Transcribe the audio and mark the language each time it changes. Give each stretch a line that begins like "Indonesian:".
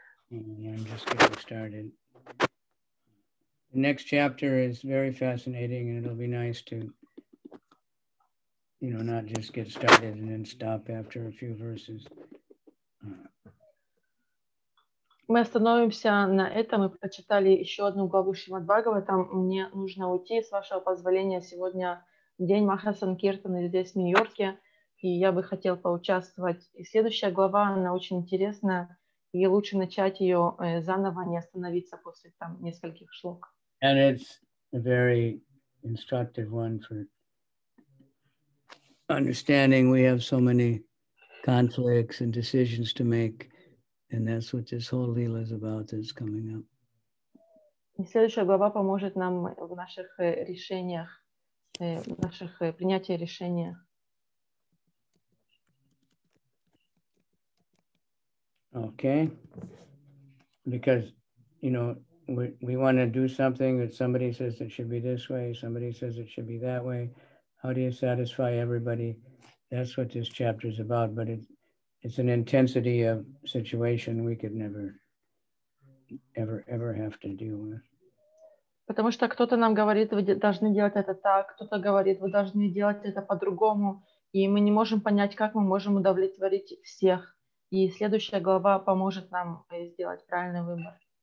English: And I'm just getting started. The next chapter is very fascinating and it'll be nice to, you know, not just get started and then stop after a few verses.
Russian: Мы остановимся на этом. Мы прочитали еще одну главу Шримад Бхагаватам. Мне нужно уйти, с вашего позволения. Сегодня день Маха Санкиртана здесь, в Нью-Йорке. И я бы хотел поучаствовать. И следующая глава, она очень интересная. И лучше начать ее заново, не остановиться после там нескольких шлок.
English: And it's a very instructive one for understanding we have so many conflicts and decisions to make. And that's what this whole lila is about that's coming up.
Russian: Следующая глава поможет нам в наших решениях, в наших принятии решения.
English: Okay. Because, you know, we want to do something that somebody says it should be this way, somebody says it should be that way. How do you satisfy everybody? That's what this chapter is about. But it's It's an intensity of situation we could never, ever, ever have to deal with.
Russian: Потому что кто-то нам говорит, вы должны делать это так, кто-то говорит, вы должны делать это по-другому, и мы не можем понять, как мы можем удовлетворить всех. И следующая глава поможет нам сделать правильный выбор.